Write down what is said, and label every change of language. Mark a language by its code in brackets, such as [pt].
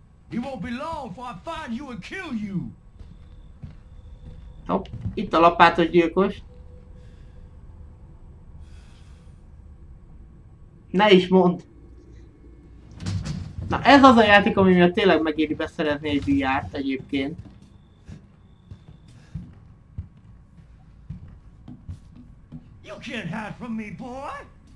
[en] It won't be long before I find you and kill you. [hu] Hopp, itt a lapátos gyilkos. Ne is mondd! Na ez az a játék, ami miatt tényleg megéri beszerezni egy VR-t egyébként. [en] You can't hide from me, boy!